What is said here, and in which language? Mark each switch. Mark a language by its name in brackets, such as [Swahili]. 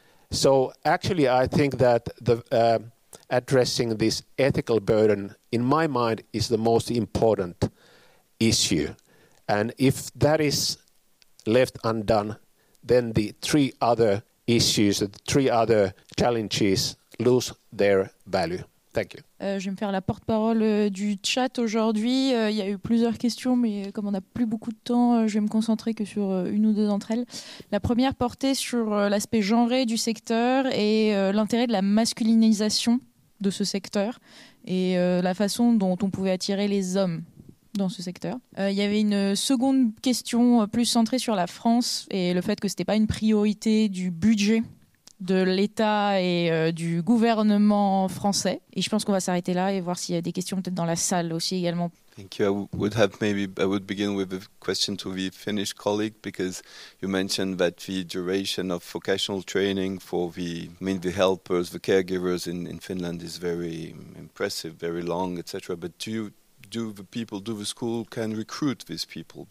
[English] So actually, I think that the addressing this ethical burden, in my mind, is the most important issue. And if that is left undone, then the three other issues, the three other challenges lose their value. Thank you. [French] Je vais me faire la porte-parole du chat aujourd'hui. Il y a eu plusieurs questions, mais comme on n'a plus beaucoup de temps, je vais me concentrer que sur une ou deux d'entre elles. La première portait sur l'aspect genré du secteur et l'intérêt de la masculinisation de ce secteur et la façon dont on pouvait attirer les hommes dans ce secteur. Il y avait une seconde question plus centrée sur la France et le fait que ce n'était pas une priorité du budget de l'État et du gouvernement français. Et je pense qu'on va s'arrêter là et voir s'il y a des questions peut-être dans la salle aussi également. [English] Thank you. I would begin with a question to the Finnish colleague, because you mentioned that the duration of vocational training for the helpers, the caregivers in Finland is very impressive, very long, etc. But do the school can recruit these people?